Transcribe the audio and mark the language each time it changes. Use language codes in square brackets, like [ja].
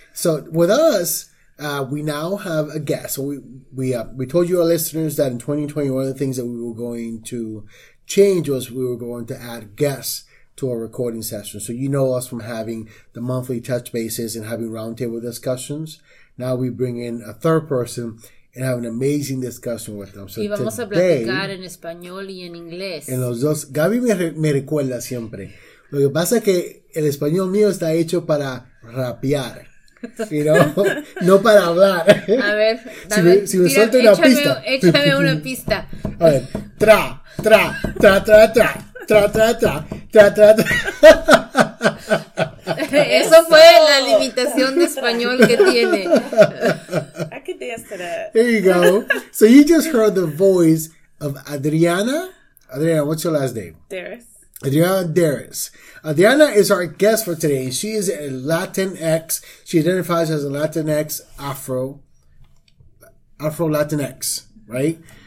[en] So with us, we now have a guest. So we told you, our listeners, that in 2020, one of the things that we were going to change was we were going to add guests to our recording session. So you know us from having the monthly touch bases and having roundtable discussions. Now we bring in a third person and have an amazing discussion with them. So [es] y vamos [en] today, [es] a platicar en español y en inglés. En los dos. Gaby me recuerda siempre. Lo que pasa es que el español mío está hecho para rapear. [en] You know? [es] No para hablar. A ver, dame, si me suelto una échame, pista. Échame una pista. A ver. Tra, tra, tra, tra, tra. Tra, tra, tra, tra, tra, tra. Eso fue la limitación de español que tiene. [en] I could dance to that. There you go. So you just heard the voice of Adriana. Adriana, what's your last name? Darris. Adriana Darris. Adriana is our guest for today. She is a Latinx. She identifies as a Latinx Afro-Latinx, right?